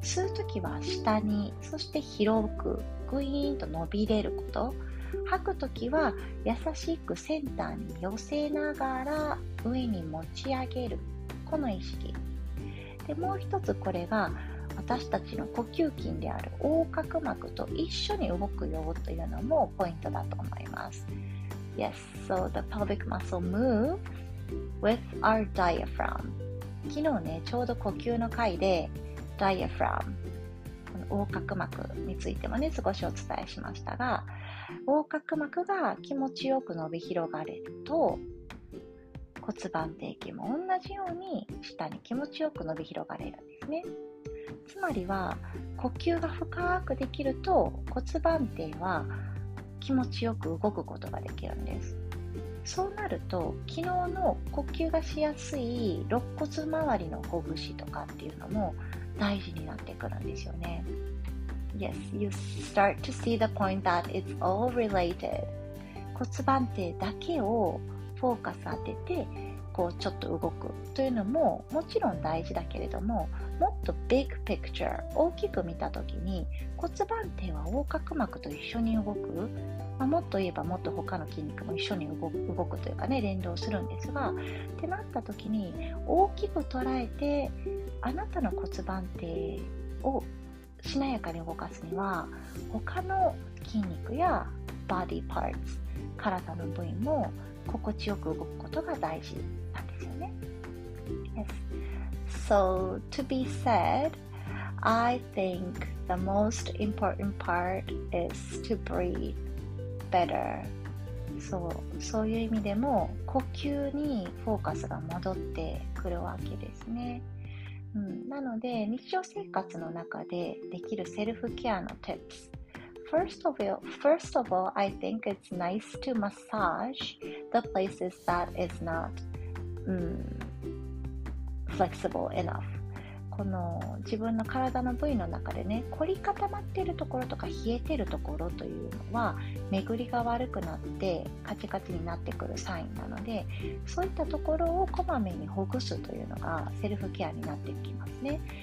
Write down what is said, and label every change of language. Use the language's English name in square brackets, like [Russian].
[Japanese] 吸うときは下に、そして広くグイーンと伸びれること、吐くときは優しくセンターに寄せながら上に持ち上げる、この意識で、もう一つ、これが私たちの呼吸筋である横隔膜と一緒に動くよというのもポイントだと思います。 [English] Yes, so the pelvic muscle moves with our diaphragm. [Japanese] 昨日ね、ちょうど呼吸の回で diaphragm、この横隔膜についてもね、少しお伝えしましたが、横隔膜が気持ちよく伸び広がると、骨盤底筋も同じように下に気持ちよく伸び広がれるんですね。つまりは、呼吸が深くできると骨盤底は気持ちよく動くことができるんです。そうなると、昨日の呼吸がしやすい肋骨周りのほぐしとかっていうのも大事になってくるんですよね。 [English] Yes, you start to see the point that it's all related. [Japanese] 骨盤底だけをフォーカス当てて、こうちょっと動くというのももちろん大事だけれども、もっとビッグピクチャー、大きく見たときに、骨盤底は横隔膜と一緒に動く、まあ、もっと言えばもっと他の筋肉も一緒に動くというかね、連動するんですが、ってなったときに大きく捉えて、あなたの骨盤底をしなやかに動かすには、他の筋肉やバディパーツ、体の部位も心地よく動くことが大事なんですよね。 [English] Yes. So, to be said, I think the most important part is to breathe better. [Japanese] そう、そういう意味でも呼吸にフォーカスが戻ってくるわけですね、うん、なので日常生活の中でできるセルフケアの tips。 [English] First of all, I think it's nice to massage the places that is not、flexible enough. [Japanese] この自分の体の部位の中でね、凝り固まっているところとか冷えているところというのは巡りが悪くなってカチカチになってくるサインなので、そういったところをこまめにほぐすというのがセルフケアになってきますね。